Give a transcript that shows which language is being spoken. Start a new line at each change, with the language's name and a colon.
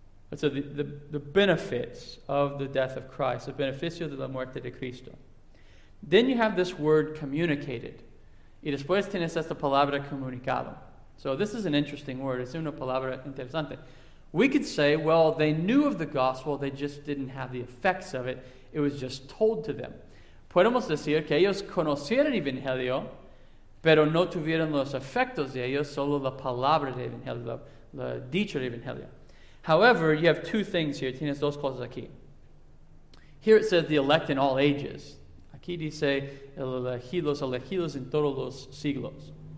English: But so the benefits of the death of Christ, the
Spanish: beneficio de la muerte de Cristo.
English: Then you have this word communicated.
Spanish: Y después tienes esta palabra comunicado.
English: So this is an interesting word.
Spanish: Es una palabra interesante.
English: We could say, well, they knew of the gospel, they just didn't have the effects of it. It was just told to them.
Spanish: Podemos decir que ellos conocieron el Evangelio, pero no tuvieron los efectos de ellos, solo la palabra del Evangelio, la dicha del Evangelio.
English: However, you have two things here.
Spanish: Tienes dos cosas aquí.
English: Here it says the elect in all ages.
Spanish: Aquí dice los elegidos en todos los siglos.